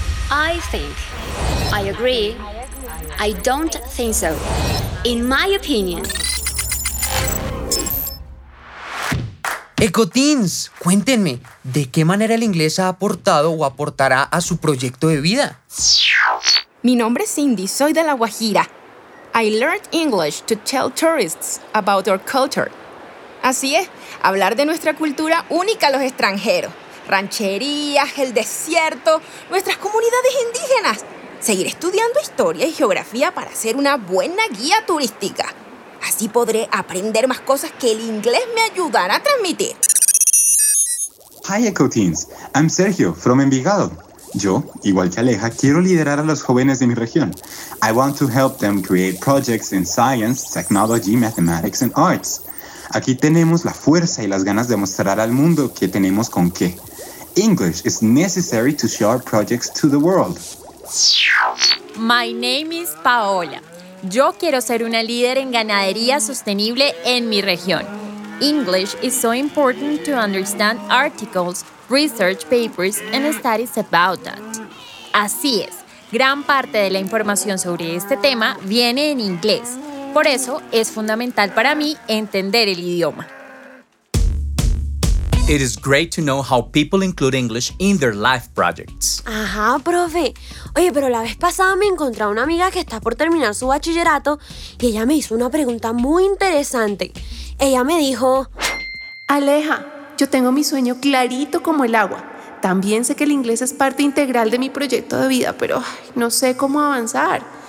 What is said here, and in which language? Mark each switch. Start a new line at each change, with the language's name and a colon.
English: I think. I agree. I don't think so. In my opinion.
Spanish: Eco Teens, cuéntenme, ¿de qué manera el inglés ha aportado o aportará a su proyecto de vida? Mi nombre es Cindy, soy de La Guajira.
English: I learned English to tell tourists about our culture.
Spanish: Así es, hablar de nuestra cultura única a los extranjeros. Rancherías, el desierto, nuestras comunidades indígenas. Seguir estudiando historia y geografía para ser una buena guía turística. Así podré aprender más cosas que el inglés me ayudará a transmitir.
English: Hi, Eco Teens. I'm Sergio from Envigado.
Spanish: Yo, igual que Aleja, quiero liderar a los jóvenes de mi región.
English: I want to help them create projects in science, technology, mathematics, and arts.
Spanish: Aquí tenemos la fuerza y las ganas de mostrar al mundo que tenemos con qué.
English: English is necessary to show our projects to the world. My name is Paola.
Spanish: Yo quiero ser una líder en ganadería sostenible en mi región.
English: English is so important to understand articles, research papers, and studies about that.
Spanish: Así es, gran parte de la información sobre este tema viene en inglés. Por eso es fundamental para mí entender el idioma.
English: It is great to know how people include English in their life projects.
Spanish: Ajá, profe. Oye, pero la vez pasada me encontré a una amiga que está por terminar su bachillerato y ella me hizo una pregunta muy interesante. Ella me dijo... Aleja, yo tengo mi sueño clarito como el agua. También sé que el inglés es parte integral de mi proyecto de vida, pero no sé cómo avanzar.